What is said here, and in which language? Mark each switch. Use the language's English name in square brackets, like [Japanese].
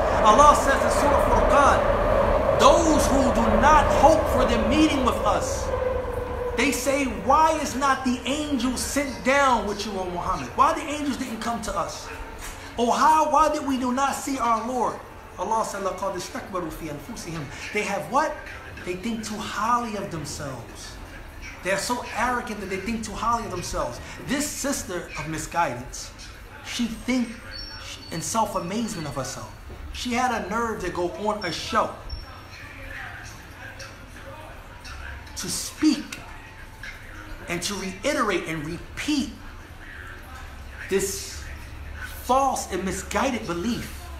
[English] Allah says in Surah Furqan, those who do not hope for the meeting with us, they say, why is not the angel sent down with you, O Muhammad? Why the angels didn't come to us? Why did we do not see our Lord? Allah said, [Arabic] لَقَدْ اسْتَكْبَرُوا فِي أَنفُسِهِمْ. [English] They have what? They think too highly of themselves. They are so arrogant that they think too highly of themselves. This sister of misguidance, she thinks in self-amazement of herself. She had a nerve to go on a show to speak and to reiterate and repeat this false and misguided belief